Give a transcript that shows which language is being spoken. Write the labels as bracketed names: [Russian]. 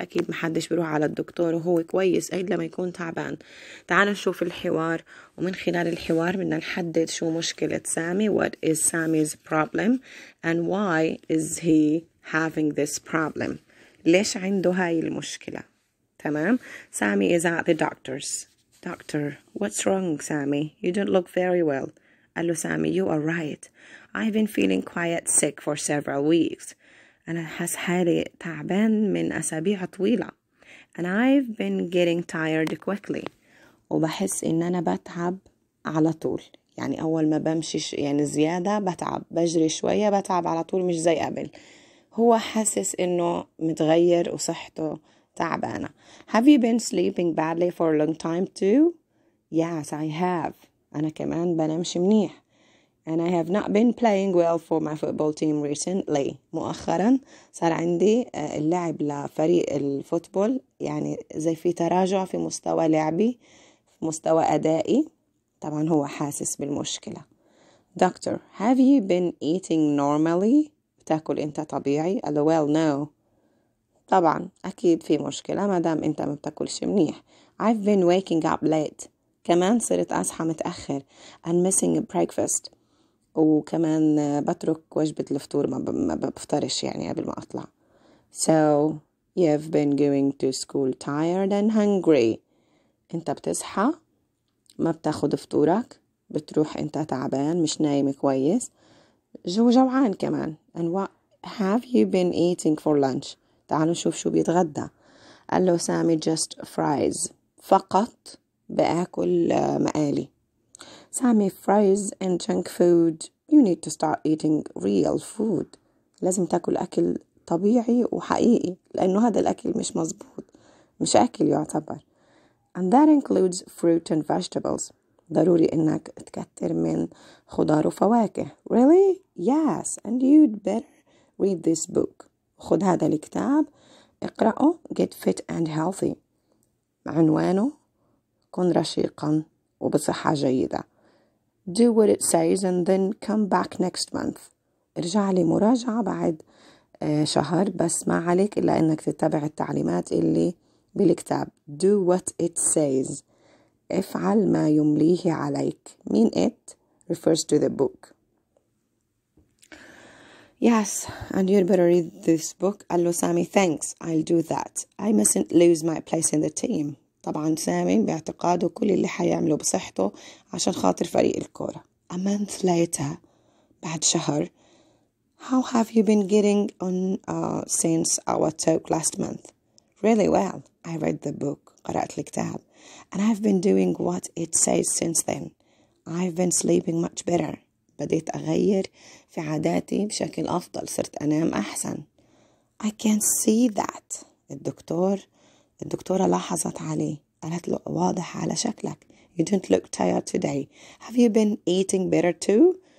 [Arabic] أكيد محدش بروح على الدكتور وهو كويس أيد لما يكون تعبان. تعال نشوف الحوار ومن خلال الحوار بدنا نحدد شو مشكلة سامي. [English] What is Sammy's problem and why is he having this problem? [Arabic] ليش عنده هاي المشكلة؟ تمام؟ [English] Sammy is at the doctor's. Doctor, what's wrong, Sammy? You don't look very well. [Arabic] قال له سامي, [English] you are right. I've been feeling quite sick for several weeks. [Arabic] أنا حاس حالي تعبان من أسابيع طويلة. [English] And I've been getting tired quickly. [Arabic] وبحس إن أنا بتعب على طول. يعني أول ما بمشي يعني زيادة بتعب. بجري شوية بتعب على طول مش زي قبل. هو حاسس إنه متغير وصحته تعبانة. [English] Have you been sleeping badly for a long time too? Yes, I have. [Arabic] أنا كمان بنامش منيح. [English] And I have not been playing well for my football team recently. [Arabic] مؤخرا صار عندي اللعب لفريق الفوتبول يعني زي في تراجع في مستوى لعبي في مستوى أدائي. طبعا هو حاسس بالمشكلة. [English] Doctor, have you been eating normally? [Arabic] بتاكل انت طبيعي؟ قال له, [English] well, no. [Arabic] طبعا أكيد في مشكلة مادام انت ما بتاكلش منيح. [English] I've been waking up late. [Arabic] كمان صرت أصحى متأخر. [English] And missing breakfast. [Arabic] وكمان بترك وجبة الفطور ما بفطرش يعني قبل ما أطلع. [English] So you've been going to school tired and hungry. [Arabic] أنت بتصحى ما بتاخد فطورك بتروح أنت تعبان مش نايم كويس جوعان كمان. [English] And what have you been eating for lunch? [Arabic] تعالوا نشوف شو بيتغدى. قال له سامي [English] just fries. [Arabic] فقط بأكل مقالي. [English] Sammy, fries and junk food. You need to start eating real food. [Arabic] لازم تأكل أكل طبيعي وحقيقي لأنه هذا الأكل مش مزبوط. مش أكل يعتبر. [English] And that includes fruit and vegetables. [Arabic] ضروري إنك تكتر من خضار وفواكه. [English] Really? Yes. And you'd better read this book. [Arabic] خد هذا الكتاب. اقرأه. [English] Get fit and healthy. [Arabic] عنوانه. كن رشيقا وبصحة جيدة. [English] Do what it says and then come back next month. [Arabic] ارجع لي مراجعة بعد شهر بس ما عليك إلا أنك تتبع التعليمات اللي بالكتاب. [English] Do what it says. [Arabic] افعل ما يمليه عليك. [English] Mean it refers to the book. Yes, and you'd better read this book. [Arabic] قال له سامي, [English] thanks, I'll do that. I mustn't lose my place in the team. [Arabic] طبعا سامي باعتقاده كل اللي حيعمله بصحته عشان خاطر فريق الكورة. [English] A month later, [Arabic] بعد شهر, [English] how have you been getting on since our talk last month? Really well, I read the book, [Arabic] قرأت الكتاب. [English] And I've been doing what it says since then. I've been sleeping much better. [Arabic] بديت أغير في عاداتي بشكل أفضل, صرت أنام أحسن. [English] I can see that, [Arabic] الدكتورة لاحظت عليه. قالت له, واضح على شكلك. [English] You don't look tired today. Have you been eating better too?